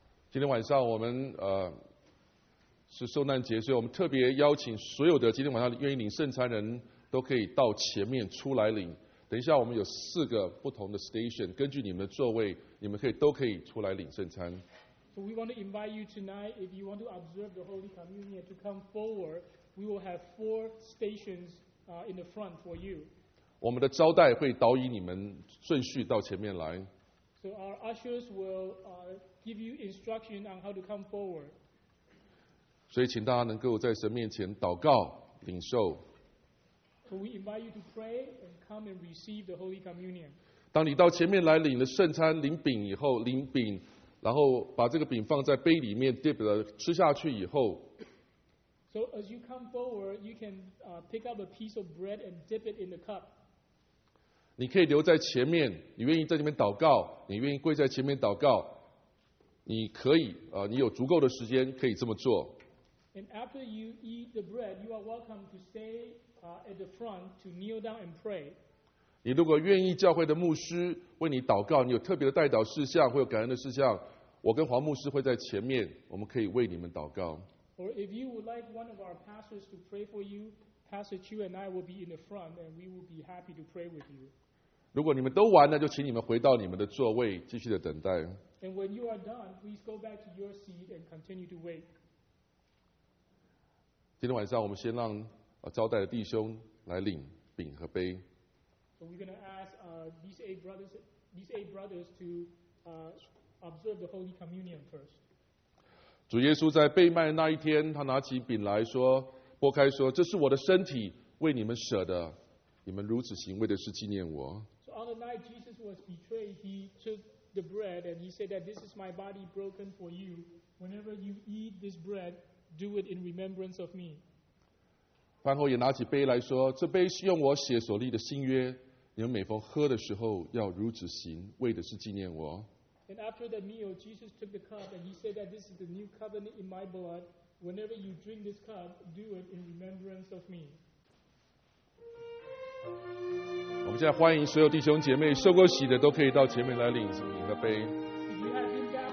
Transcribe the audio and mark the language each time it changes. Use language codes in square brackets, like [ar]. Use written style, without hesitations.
[zh] 今天晚上我们是受难节，所以我们特别邀请所有的今天晚上愿意领圣餐人都可以到前面出来领。等一下我们有四个不同的 station， 根据你们的座位，你们可以都可以出来领圣餐。 [en] So we want to invite you tonight, if you want to observe the Holy Communion, to come forward. We will have four stations in the front for you. [zh] 我们的招待会导引你们顺序到前面来。 [en] So our ushers will give you instruction on how to come forward. [zh] 所以请大家能够在神面前祷告领受。 [en] So we invite you to pray and come and receive the Holy Communion. [zh] 当你到前面来领了圣餐领饼以后，领饼然后把这个饼放在杯里面 dip 了吃下去以后。 [en] So as you come forward, you can pick up a piece of bread and dip it in the cup. [zh] 你可以留在前面，你愿意在这边祷告，你愿意跪在前面祷告，你可以你有足够的时间可以这么做。 [en] And after you eat the bread, you are welcome to stay at the front to kneel down and pray. [zh] 你如果愿意教会的牧师为你祷告，你有特别的代祷事项或有感恩的事项，我跟黄牧师会在前面，我们可以为你们祷告。 [en] Or if you would like one of our pastors to pray for you, Pastor Chu and I will be in the front and we will be happy to pray with you. [zh] 如果你们都完了，就请你们回到你们的座位，继续的等待。 [en] And when you are done, please go back to your seat and continue to wait. [zh] 今天晚上我们先让招待的弟兄来领饼和杯。 [en] So we're going to ask these eight brothers to observe the Holy Communion first. [zh] 主耶稣在被卖那一天，他拿起饼来说，擘开说：“这是我的身体，为你们舍的。你们如此行，为的是纪念我。” [en] So on the night Jesus was betrayed, he took the bread and he said that this is my body broken for you. Whenever you eat this bread. Do it in remembrance of me. [zh] 饭后也拿起杯来说，这杯是用我血所立的新约，你们每逢喝的时候要如此行，为的是纪念我。 [en] And after the meal, Jesus took the cup and he said that this is the new covenant in my blood. Whenever you drink this cup, do it in remembrance of me. [zh] 我们现在欢迎所有弟兄姐妹受过洗的都可以到前面来领饼和杯。